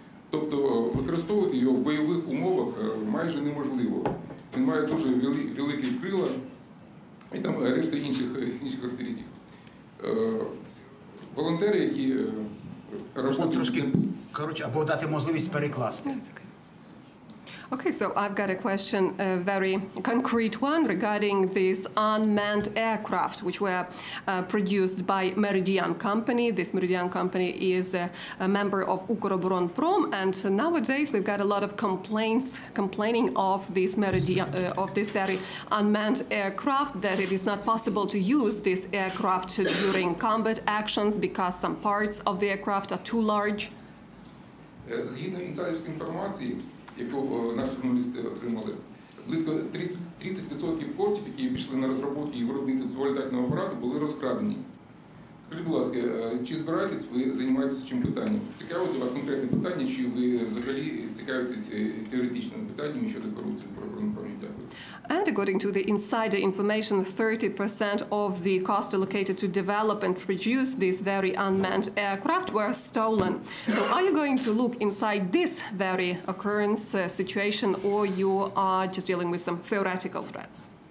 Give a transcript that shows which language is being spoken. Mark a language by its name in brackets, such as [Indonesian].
[Ukrainian] Тобто використовувати його в бойових умовах майже неможливо. Він має дуже великі крила і там решта інших характеристик. Волонтери, які роботують... Трошки, коротше, або дати можливість перекласти. [English] Okay, so I've got a question, a very concrete one, regarding this unmanned aircraft, which were produced by Meridian Company. This Meridian Company is a member of Ukroboronprom, and nowadays we've got a lot of complaining of this Meridian, of this very unmanned aircraft, that it is not possible to use this aircraft during combat actions because some parts of the aircraft are too large. [Ukrainian] Згідно інсайдерської інформації, яку наші журналісти отримали, близько 30% коштів, які пішли на розробку і виробництво цього літального апарату, були розкрадені. Скажіть, будь ласка, чи збираєтесь ви займаєтесь чим питанням? Цікавить у вас конкретне питання, чи ви взагалі цікавитесь теоретичним питанням щодо корупції в Укроборонпромі? Дякую. [English] And according to the insider information, 30% of the cost allocated to develop and produce this very unmanned aircraft were stolen. So are you going to look inside this very occurrence situation, or you are just dealing with some theoretical threats?